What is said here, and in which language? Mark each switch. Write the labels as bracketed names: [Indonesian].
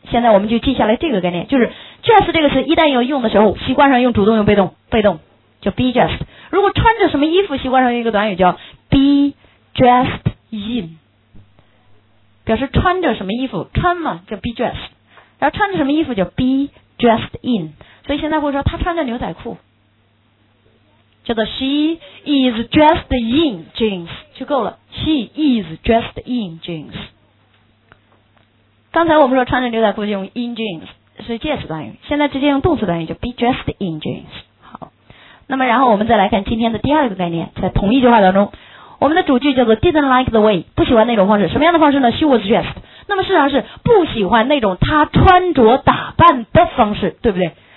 [Chinese] 现在我们就记下来这个概念，就是 dress 这个词一旦有用的时候，习惯上用主动用被动，被动叫 be dressed。如果穿着什么衣服，习惯上用一个短语叫 [English] be dressed in， [Chinese] 表示穿着什么衣服，穿嘛叫 be dressed， 然后穿着什么衣服叫 be dressed in。所以现在会说他穿着牛仔裤，叫做 [English] she is dressed in jeans [Chinese] 就够了， she is dressed in jeans。刚才我们说穿着牛仔裤就用 in jeans， 是介词短语，现在直接用动词短语叫 [English] be dressed in jeans。 [Chinese] 好，那么然后我们再来看今天的第二个概念，在同一句话当中，我们的主句叫做 [English] didn't like the way， [Chinese] 不喜欢那种方式，什么样的方式呢？ [English] she was dressed。 [Chinese] 那么事实上是不喜欢那种她穿着打扮的方式，对不对？